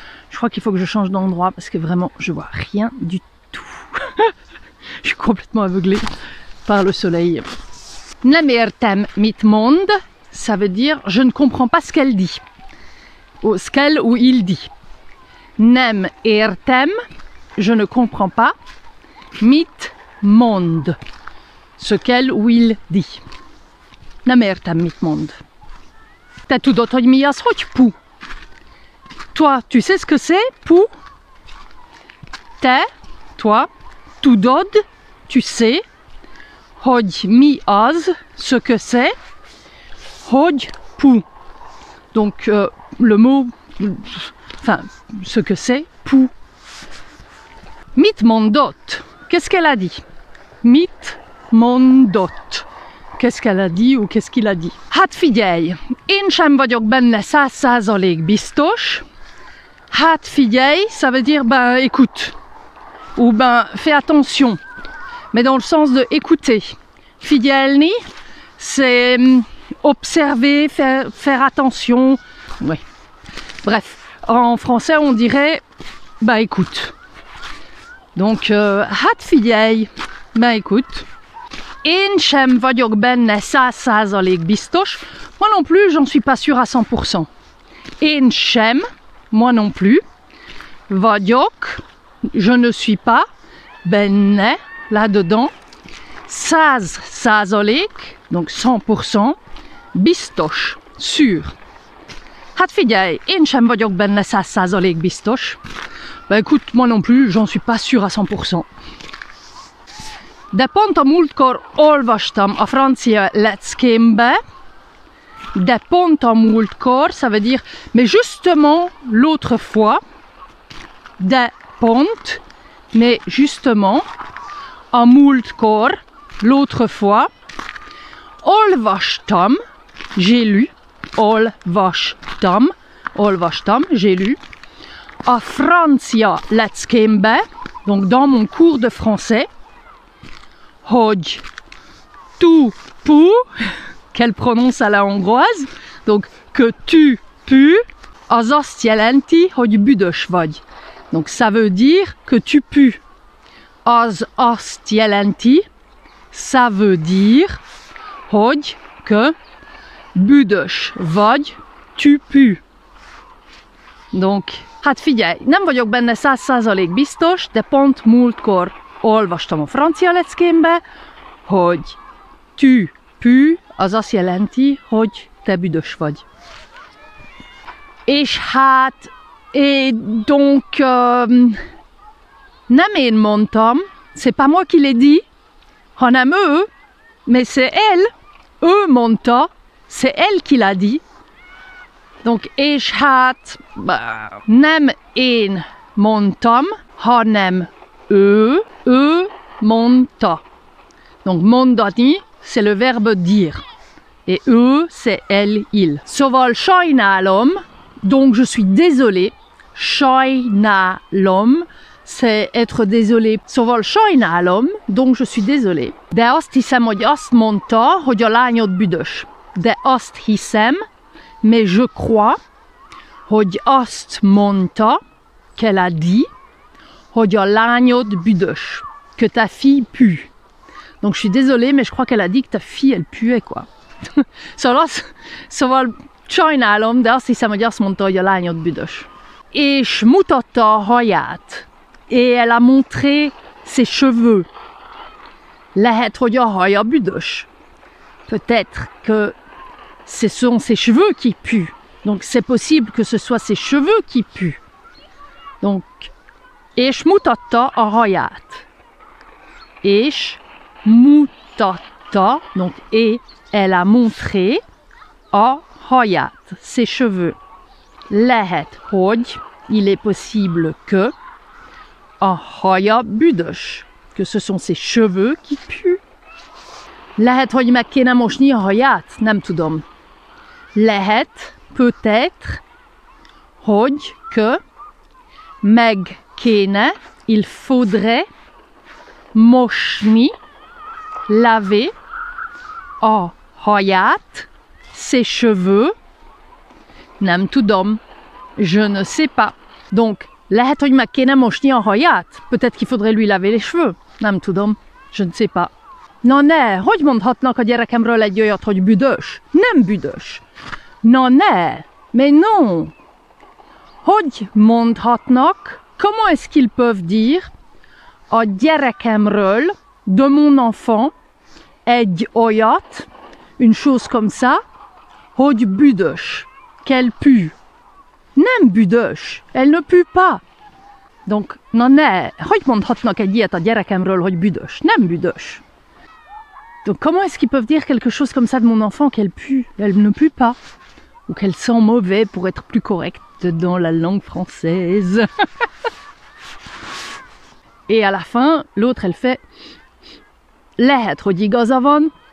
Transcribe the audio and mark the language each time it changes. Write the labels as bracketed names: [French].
[French] Je crois qu'il faut que je change d'endroit parce que vraiment, je vois rien du tout. Je suis complètement aveuglée par le soleil. [Hungarian] Nem értem mit mond. [French] Ça veut dire je ne comprends pas ce qu'elle dit. Ou ce qu'elle ou il dit. [Hungarian] Nem értem, [French] je ne comprends pas. [Hungarian] Mit mond, [French] ce qu'elle ou il dit. [Hungarian] Nem értem mit mond. Te tudod, hogy mi az, hogy pou. [French] Toi, tu sais ce que c'est, pou. Te, toi, tudod, tu sais. [Hungarian] Hogy mi az, [French] ce que c'est. [Hungarian] Hogy pou. [French] Donc, le mot, enfin, ce que c'est, pou. [Hungarian] Mit mondot, [French] qu'est-ce qu'elle a dit? Mit mondot, qu'est-ce qu'elle a dit ou qu'est-ce qu'il a dit? [Hungarian] Hát figyelj, én sem vagyok benne 100% biztos. Hát figyelj, [French] ça veut dire, ben, écoute. Ou ben, fais attention. Mais dans le sens de écouter. Figyelni, c'est observer, faire attention. Oui. Bref, en français, on dirait « bah écoute ». Donc, « [Hungarian] hát figyelj [French] », « bah écoute ». [Hungarian] « Én sem vagyok benne 100% biztos ». [French] Moi non plus, j'en suis pas sûre à 100%. « [Hungarian] Én sem [French] », moi non plus. « Vagyok », je ne suis pas. « Benne », là-dedans. « 100%, donc 100%, « biztos », sûr. [Hungarian] Hát figyelj, én sem vagyok benne 100% biztos. [French] Ben écoute, moi non plus, j'en suis pas sûr à 100%. [Hungarian] De pont a múltkor olvastam a francia leckémbe. De pont a múltkor, [French] ça veut dire, mais justement l'autre fois. [Hungarian] De pont, [French] mais justement, [Hungarian] a múltkor, [French] l'autre fois. Olvastam, j'ai lu. Olvastam, j'ai lu. [Hungarian] A francia leckémbe, [French] donc dans mon cours de français. Hogy tu pu, qu'elle prononce à la hongroise, donc que tu pu, [Hungarian] az azt jelenti, hogy büdös vagy. [French] Donc ça veut dire que tu pu. [Hungarian] Az azt jelenti, [French] ça veut dire, hogy, que, [Hungarian] büdös vagy, [French] tu pu. [Hungarian] Donc, hát figyelj, nem vagyok benne 100% biztos, de pont múltkor olvastam a francia leckémbe, hogy [French] tu pu, [Hungarian] az azt jelenti, hogy te büdös vagy. És hát, [French] et donc, [Hungarian] nem én mondtam, [French] c'est pas moi qui l'ai dit, [Hungarian] hanem ő, [French] mais c'est elle, [Hungarian] ő mondta, [French] c'est elle qui l'a dit. [Hungarian] Donc, és hát, nem én mondtam, hanem ő, ő mondta. [French] Donc, mondani, c'est le verbe dire. Et ő, c'est elle, il. [Hungarian] Szóval, sajnálom, [French] donc je suis désolé. Sajnálom, c'est être désolé. [Hungarian] Szóval, sajnálom, [French] donc je suis désolé. [Hungarian] De azt hiszem, hogy azt mondta, hogy a lányod büdös. De azt hiszem, [French] mais je crois, [Hungarian] hogy azt mondta, [French] qu'elle a dit, [Hungarian] hogy a lányod büdös, [French] que ta fille pue. Donc je suis désolée, mais je crois qu'elle a dit que ta fille, elle puait, quoi. [Hungarian] Szóval, sajnálom, de azt hiszem, hogy azt mondta, hogy a lányod büdös. És mutatta a haját. [French] et elle a montré ses cheveux. [Hungarian] Lehet, hogy a haja büdös. [French] Peut-être que ce sont ses cheveux qui puent. Donc c'est possible que ce soit ses cheveux qui puent. Donc, [Hungarian] és mutatta a haját. És mutatta, [French] donc et elle a montré [Hungarian] a haját, [French] ses cheveux. [Hungarian] Lehet, hogy, [French] il est possible que, [Hungarian] a haja büdös, [French] que ce sont ses cheveux qui puent. [Hungarian] Lehet, hogy meg kéne mosni a haját, nem tudom. [French] Lehet, peut-être, hogy, que, [Hungarian] meg kéne, [French] il faudrait, mosni, laver, a haját, ses cheveux, [Hungarian] nem tudom. [French] Je ne sais pas. [Hungarian] Donc, lehet, hogy meg kéne mosni a haját. [French] Peut-être qu'il faudrait lui laver les cheveux. [Hungarian] Nem tudom. [French] Je ne sais pas. [Hungarian] Na ne, hogy mondhatnak a gyerekemről egy olyat, hogy büdös? Nem büdös. Na ne, [French] mais non. [Hungarian] Hogy mondhatnak, [French] comment est-ce qu'ils peuvent dire [Hungarian] a gyerekemről, [French] de mon enfant, [Hungarian] egy olyat, [French] une chose comme ça, [Hungarian] hogy büdös, [French] qu'elle pue. [Hungarian] Nem büdös. [French] Elle ne pue pas. [Hungarian] Donc, na ne, hogy mondhatnak egy ilyet a gyerekemről, hogy büdös? Nem büdös. [French] Donc, comment est-ce qu'ils peuvent dire quelque chose comme ça de mon enfant, qu'elle pue? Elle ne pue pas. Ou qu'elle sent mauvais, pour être plus correcte dans la langue française. Et à la fin, l'autre, elle fait... [Hungarian] Lehet, hogy igaza van.